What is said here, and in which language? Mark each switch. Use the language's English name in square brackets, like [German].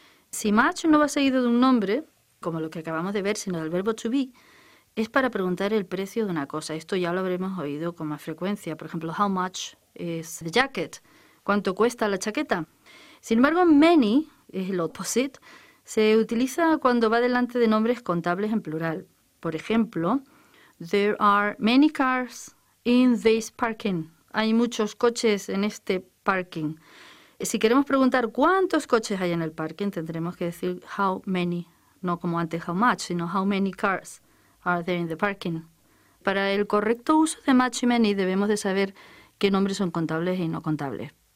[Spanish] Si much no va seguido de un nombre, como lo que acabamos de ver, sino del verbo to be, es para preguntar el precio de una cosa. Esto ya lo habremos oído con más frecuencia. Por ejemplo, [English] how much is the jacket? [Spanish] ¿Cuánto cuesta la chaqueta? Sin embargo, many es el opposite. Se utiliza cuando va delante de nombres contables en plural. Por ejemplo, [English] there are many cars in this parking. [Spanish] Hay muchos coches en este parking. Si queremos preguntar cuántos coches hay en el parking, tendremos que decir [English] how many, no como antes how much, sino how many cars are there in the parking. [Spanish] Para el correcto uso de much y many, debemos de saber qué nombres son contables y no contables.